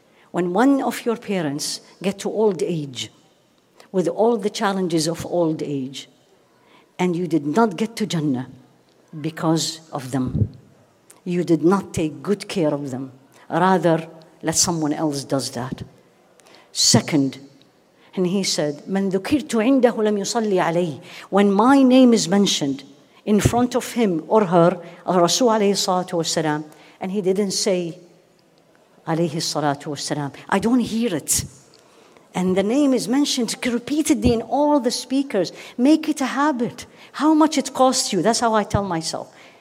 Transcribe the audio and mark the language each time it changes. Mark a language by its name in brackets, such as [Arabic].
[English] When one of your parents get to old age, with all the challenges of old age, and you did not get to Jannah because of them, you did not take good care of them, rather let someone else does that. Second, and he said, [Arabic] من ذكرت عنده لم يصلي عليه. [English] When my name is mentioned in front of him or her, [Arabic] الرسول عليه الصلاة والسلام, [English] and he didn't say [Arabic] عليه الصلاة والسلام, [English] I don't hear it. And the name is mentioned repeatedly in all the speakers. Make it a habit. How much it costs you? That's how I tell myself.